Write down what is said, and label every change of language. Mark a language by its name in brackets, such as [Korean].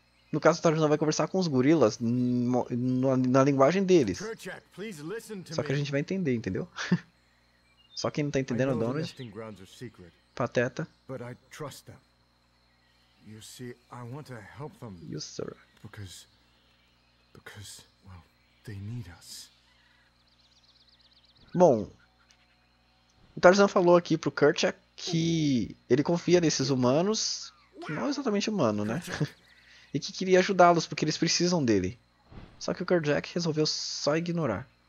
[Portuguese] No caso, o Tarzan vai conversar com os gorilas na linguagem deles. Só que a gente vai entender, entendeu? Só quem não tá entendendo é o Donald. Pateta. [English] But I trust them. You see, I want to help them. Yes, sir. Because well, they need us. [Portuguese] Bom, o Tarzan falou aqui pro Kerchak que ele confia nesses humanos, que não é exatamente humano, né? E que queria ajudá-los porque eles precisam dele. Só que o Kerchak resolveu só ignorar.